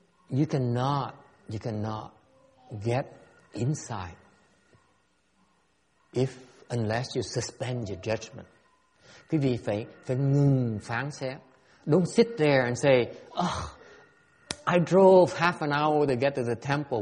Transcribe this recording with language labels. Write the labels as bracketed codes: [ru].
[en] You cannot get insight unless you suspend your judgment. [vi] Quý vị phải ngừng phán xét. [en] Don't sit there and say, oh, I drove half an hour to get to the temple.